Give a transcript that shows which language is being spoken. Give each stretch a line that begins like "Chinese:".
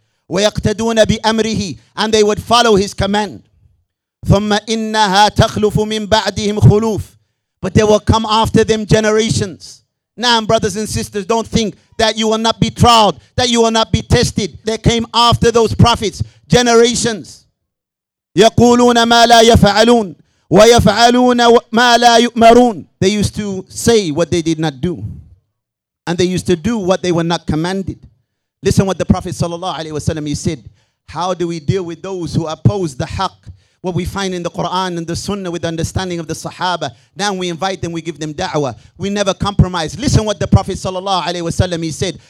Arabic: ويقتدون بأمره,
English: and they would follow his command.
Arabic: ثم إنها تخلف من بعدهم خلوف,
English: but there will come after them generations. Now, brothers and sisters, don't think that you will not be tried, that you will not be tested. There came after those prophets generations.
Arabic: يقولون ما لا يفعلون ويفعلون ما لا يؤمرون.
English: They used to say what they did not do, and they used to do what they were not commanded. Listen what the Prophet sallallahu alaihi wasallam, he said, how do we deal with those who oppose the haqq? What we find in the Quran and the Sunnah with the understanding of the Sahaba. Now we invite them, we give them da'wah. We never compromise. Listen what the Prophet sallallahu alaihi wasallam, he said.